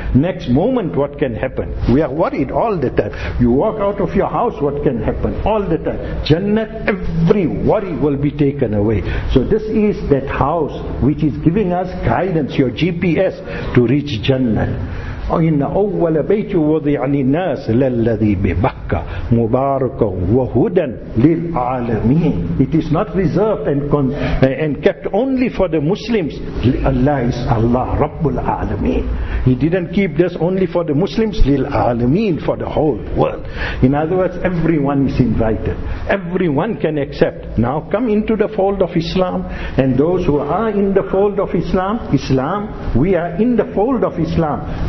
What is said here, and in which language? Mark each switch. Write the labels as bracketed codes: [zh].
[en] Next moment, what can happen? We are worried all the time. You walk out of your house, what can happen? All the time. Jannat, every worry will be taken away. So this is that house which is giving us guidance, your GPS, to reach Jannat. [ar] إن أول بيت وضع للناس للذي ببكة مباركا وهدى للعالمين. [en] It is not reserved and kept only for the Muslims. Allah is Allah, Rabbul Alameen. He didn't keep this only for the Muslims, للعالمين, for the whole world. In other words, everyone is invited. Everyone can accept. Now come into the fold of Islam, and those who are in the fold of Islam, we are in the fold of Islam.